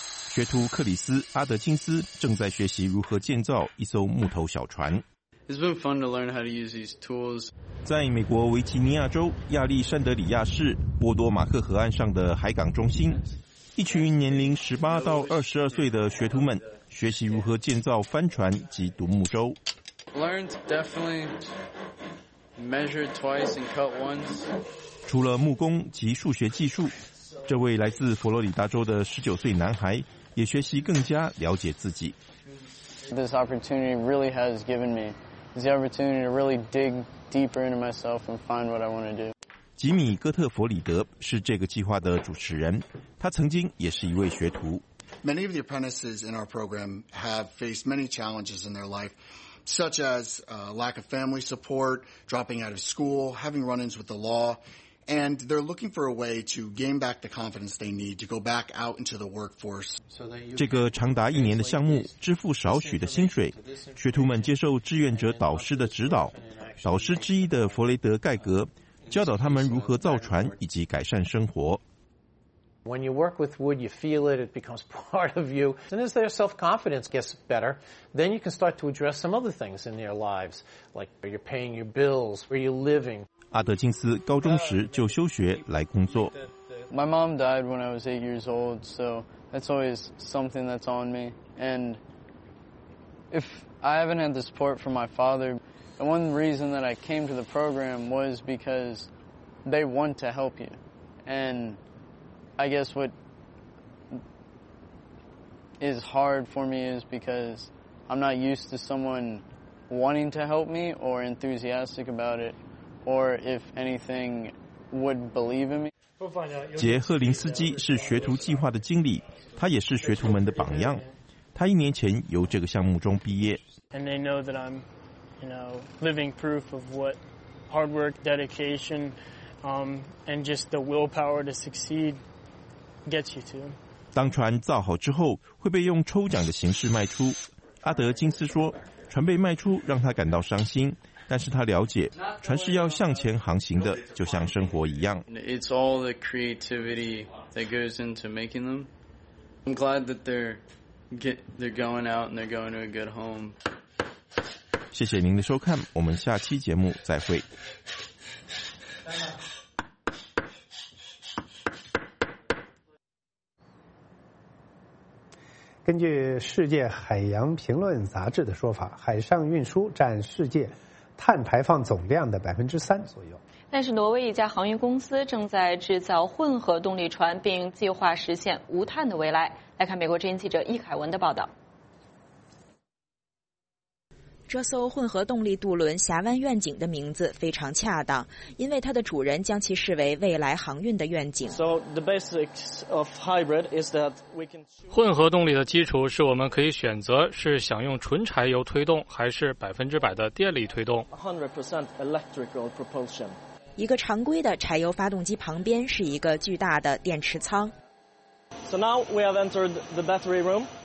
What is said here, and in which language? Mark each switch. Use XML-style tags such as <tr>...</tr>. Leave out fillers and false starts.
<zh>学徒克里斯·阿德金斯正在学习如何建造一艘木头小船。</zh> <en>It's been fun to learn how to use these tools.</en> <zh>在美国维吉尼亚州亚历山德里亚市波多马克河岸上的海港中心，一群年龄18到22岁的学徒们学习如何建造帆船及独木舟。</zh> <en>Learned definitely measured twice and cut once.</en> <zh>除了木工及数学技术，这位来自佛罗里达州的19岁男孩也学习更加了解自己。</zh> <en>This opportunity really has given me the opportunity to really dig deeper into myself and find what I want to do.</en> <zh>吉米·戈特佛里德是这个计划的主持人，他曾经也是一位学徒。</zh> <en>Many of the apprentices in our program have faced many challenges in their life, such as lack of family support, dropping out of school, having run-ins with the law. And they're looking for a way to gain back the confidence they need to go back out into the workforce.</en> <zh>这个长达一年的项目支付少许的薪水，学徒们接受志愿者导师的指导，导师之一的弗雷德·盖格教导他们如何造船以及改善生活。</zh> <en>When you work with wood, you feel it, it becomes part of you. And as their self-confidence gets better, then you can start to address some other things in their lives, like are you paying your bills, are you living?</en> <zh>阿德金斯高中时就休学来工作。</zh> <en>My mom died when I was 8 years old, so that's always something that's on me. And if I haven't had the support from my father, the one reason that I came to the program was because they want to help you. And... I guess what is hard for me is because I'm not used to someone wanting to help me or enthusiastic about it, or if anything would believe in me.</en> <zh>杰赫林斯基是学徒计划的经理，他也是学徒们的榜样。他一年前由这个项目中毕业。</zh> <en>And they know that I'm, you know, living proof of what hard work, dedication, and just the willpower to succeed. Gets you to.</en> <zh>当船造好之后会被用抽奖的形式卖出。阿德金斯说，船被卖出让他感到伤心，但是他了解船是要向前航行的，就像生活一样。</zh> <en>It's all the creativity that goes into making them. I'm glad that they're going out and they're going to a good home.</en> <zh>谢谢您的收看，我们下期节目再会。根据世界海洋评论杂志的说法，海上运输占世界碳排放总量的3%左右。但是挪威一家航运公司正在制造混合动力船，并计划实现无碳的未来。来看美国之音记者易凯文的报道。这艘混合动力渡轮峡湾愿景的名字非常恰当，因为它的主人将其视为未来航运的愿景。</zh> <en>So the basics of hybrid is that we can</en> <zh>混合动力的基础是我们可以选择是想用纯柴油推动还是100%的电力推动。</zh> <en>100% electrical propulsion.</en> <zh>一个常规的柴油发动机旁边是一个巨大的电池舱。</zh> <en>So now we have entered the battery room.</en>